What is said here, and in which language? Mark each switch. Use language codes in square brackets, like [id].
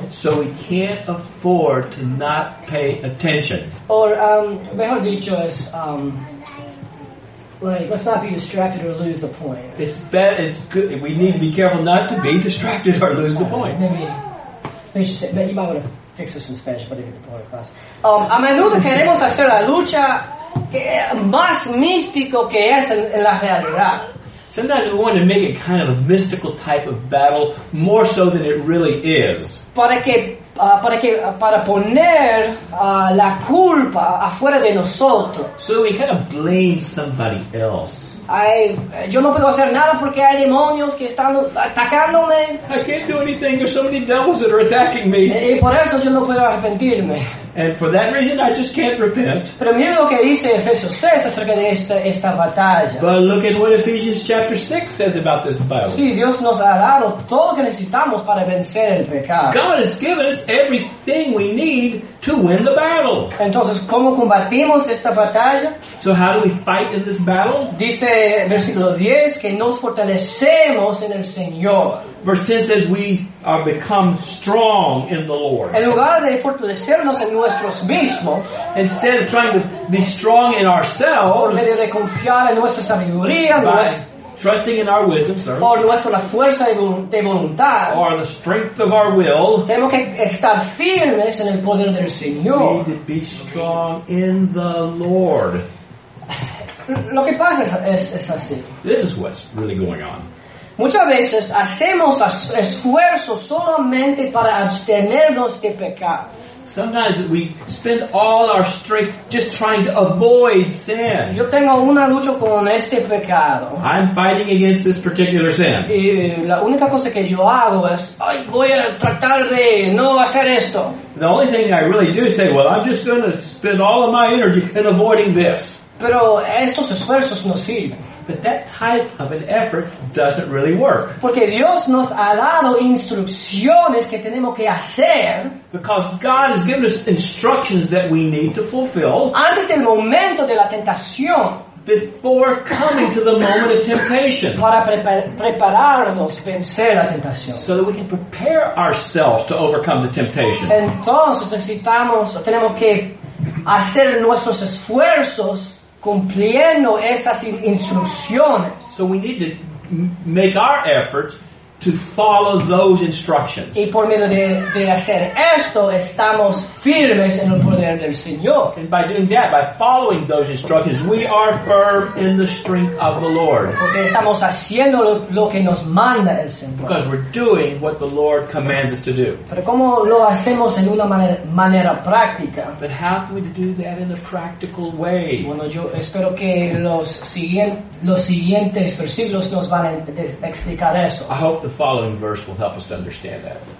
[en] So we can't afford to not pay attention. [es] Or, mejor dicho es... [en] like, let's not be distracted or lose the point. It's good. We need to be careful not to be distracted or lose the point. Maybe you should say, you might want to fix this in Spanish, but it's probably across. [es] A menudo queremos hacer la lucha más místico que es en la realidad. [en] Sometimes we want to make it kind of a mystical type of battle, more so than it really is. [es] Para poner la culpa afuera de nosotros. [en] So we kind of blame somebody else. [es] Yo no puedo hacer nada porque hay demonios que están atacándome. [en] I can't do anything. There's so many devils that are attacking me. [es] Y por eso yo no puedo arrepentirme. [en] And for that reason, I just can't repent. [es] Pero mira lo que dice Efesios 6 acerca de esta batalla. [en] But look at what Ephesians chapter 6 says about this battle. [es] Sí, Dios nos ha dado todo lo que necesitamos para vencer el pecado. [en] God has given us everything we need to win the battle. [es] Entonces, ¿cómo combatimos esta batalla? [en] So how do we fight in this battle? [es] Dice versículo 10 que nos fortalecemos en el Señor. [en] Verse 10 says we are become strong in the Lord. [es] En lugar de fortalecernos en nosotros mismos, [en] instead of trying to be strong in ourselves, [es] por medio de confiar en nuestra sabiduría, [en] trusting in our wisdom, sir, [es] o nuestra fuerza de voluntad, [en] or the strength of our will, [es] tenemos que estar firmes en el poder del Señor. [en] We need to be strong in the Lord. [es] Lo que pasa es así. [en] This is what's really going on. [es] Muchas veces hacemos esfuerzo solamente para abstenernos de pecar. [en] Sometimes we spend all our strength just trying to avoid sin. [es] Yo tengo una lucha con este pecado. [en] I'm fighting against this particular sin. [es] Y la única cosa que yo hago es, ay, voy a tratar de no hacer esto. [en] The only thing I really do is say, well, I'm just going to spend all of my energy in avoiding this. [es] Pero estos esfuerzos no sirven. [en] But that type of an effort doesn't really work. [es] Porque Dios nos ha dado instrucciones que tenemos que hacer. [en] Because God has given us instructions that we need to fulfill. [es] Antes del momento de la tentación. [en] Before coming to the moment of temptation. [es] Para prepararnos vencer la tentación. [en] So that we can prepare ourselves to overcome the temptation. [es] Entonces necesitamos, o tenemos que hacer nuestros esfuerzos cumpliendo estas instrucciones. [en] So we need to make our efforts to follow those instructions. [es] Y por medio de hacer esto, estamos firmes en el poder del Señor. [en] And by doing that, by following those instructions, we are firm in the strength of the Lord. [es] Porque estamos haciendo lo que nos manda el Señor. [en] Because we're doing what the Lord commands us to do. [es] Pero ¿cómo lo hacemos en una manera práctica? [en] But how can we do that in a practical way? [es] Bueno, yo espero que los siguientes versículos nos van a explicar eso. [en] I hope the following verse will help us to understand that.